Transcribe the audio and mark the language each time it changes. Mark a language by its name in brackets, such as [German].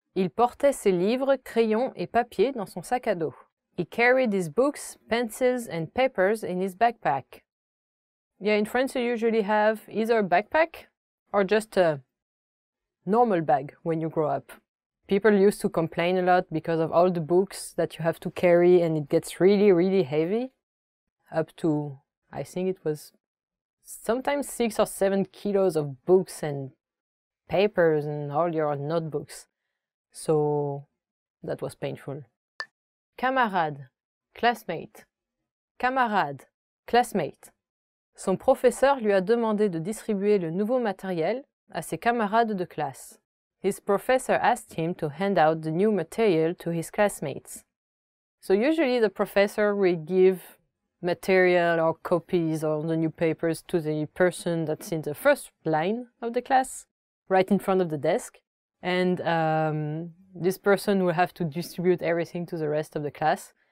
[French] Il portait ses livres, crayons et papier dans son sac à dos. [English] He carried his books, pencils and papers in his backpack. Yeah, in France you usually have either a backpack or just a normal bag when you grow up. People used to complain a lot because of all the books that you have to carry, and it gets really, really heavy. Up to, I think it was sometimes 6 or 7 kilos of books and papers and all your notebooks. So that was painful. Camarade, classmate. Camarade, classmate. [French] Son professeur lui a demandé de distribuer le nouveau matériel à ses camarades de classe. [English] His professor asked him to hand out the new material to his classmates. So usually the professor will give material or copies or the new papers to the person that's in the first line of the class, right in front of the desk. And this person will have to distribute everything to the rest of the class.